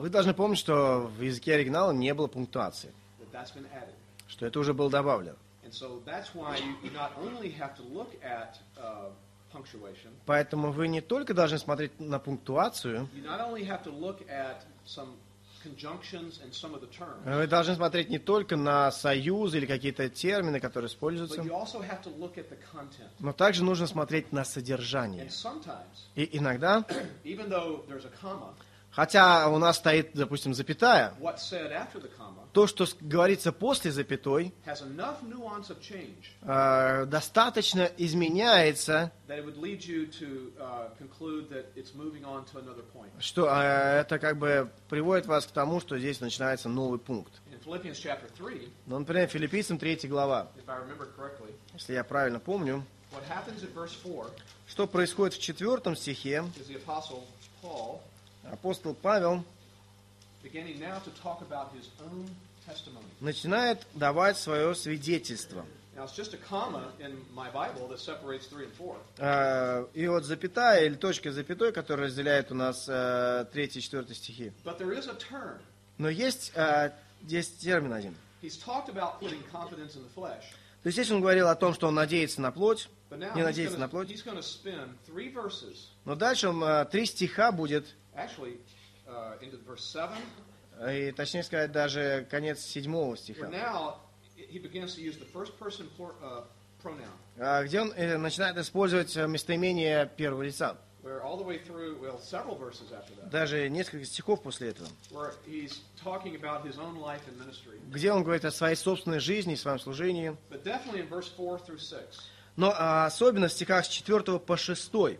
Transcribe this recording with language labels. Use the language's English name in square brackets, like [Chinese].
[Russian] Вы должны помнить, что в языке оригинала не было пунктуации. [English] That's been added. [Russian] Что это уже было добавлено. [English] And so that's why you not only have to look at punctuation. [Russian] Поэтому вы не только должны смотреть на пунктуацию. [English] You not only have to look at some conjunctions and some of the terms. [Russian] Вы должны смотреть не только на союзы или какие-то термины, которые используются. [English] But you also have to look at the content. [Russian] Но также нужно смотреть на содержание. [English] And sometimes. [Russian] И иногда. [English] Even though there's a comma. [Russian] Хотя у нас стоит, допустим, запятая. [English] What said after the comma. [Russian] То, что говорится после запятой. [English] Has enough nuance of change. [Russian] Достаточно изменяется. [English] That it would lead you to conclude that it's moving on to another point. [Russian] Что это как бы приводит вас к тому, что здесь начинается новый пункт. [English] In Philippians chapter 3. [Russian] Ну, например, Филиппийцам 3 глава. [English] If I remember correctly. [Russian] Если я правильно помню. [English] What happens in verse 4. [Russian] Что происходит в 4 стихе. [English] Is the apostle Paul. [Russian] Апостол Павел [English] beginning now to talk about his own testimony. [Russian] Начинает давать свое свидетельство. [English] Now, it's just a comma in my Bible that separates 3 and 4. [Russian] И вот запятая или точка с запятой, которая разделяет у нас 3 и 4 стихи. [English] But there is a term. [Russian] Но есть термин один. [English] He's talked about putting confidence in the flesh. [Russian] То есть здесь он говорил о том, что он надеется на плоть, не надеется на плоть. [English] He's going to spend 3 verses. [Russian] Но дальше он 3 стиха будет. [English] Actually, into verse 7. [Russian] И, точнее сказать, даже конец 7 стиха. [English] Where now he begins to use the first person pronoun. [Russian] Где он начинает использовать местоимение первого лица. [English] Where all the way through, well, several verses after that. [Russian] Даже несколько стихов после этого. [English] Where he's talking about his own life and ministry. [Russian] Где он говорит о своей собственной жизни и своем служении. [English] But definitely in verse 4 through 6. [Russian] Но особенно в стихах с 4 по 6.